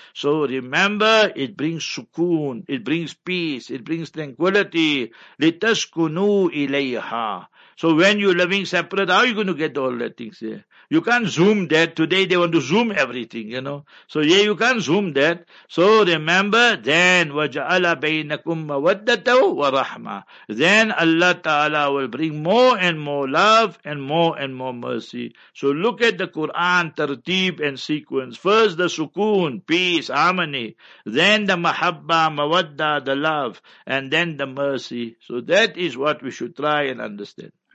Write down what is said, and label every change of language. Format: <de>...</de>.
<en>So remember, it brings sukoon, it brings peace, it brings tranquility.</en> <ar>Litaskunu ilayha.</ar> <en>So when you're living separate, how are you going to get all the things there? You can't zoom that. Today they want to zoom everything, you know. So yeah, you can't zoom that. So remember, then</en> <ar>وَجَعَلَ بَيْنَكُمْ مَوَدَّةً وَرَحْمَةً.</ar> <en>Then Allah Ta'ala will bring more and more love and more mercy. So look at the Quran, tartib and sequence. First the sukoon, peace, harmony. Then the mahabba, mawadda, the love. And then the mercy. So that is what we should try and understand.</en>